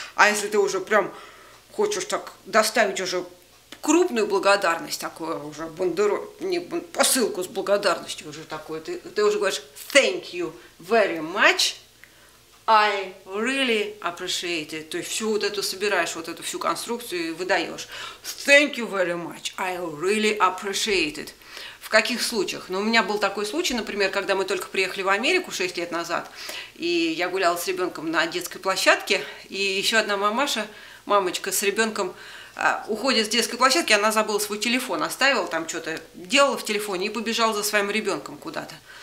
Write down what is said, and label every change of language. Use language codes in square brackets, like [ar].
[ru] А если ты уже прям хочешь так доставить уже крупную благодарность, такую уже посылку с благодарностью уже такой, ты уже говоришь [en] thank you very much, I really appreciate it. [ru] То есть всю вот эту собираешь, вот эту всю конструкцию и выдаешь. [en] Thank you very much, I really appreciate it. [ru] В каких случаях? Ну, у меня был такой случай, например, когда мы только приехали в Америку 6 лет назад, и я гуляла с ребенком на детской площадке, и еще одна мамочка с ребенком уходит с детской площадки, она забыла свой телефон, оставила там что-то, делала в телефоне и побежала за своим ребенком куда-то.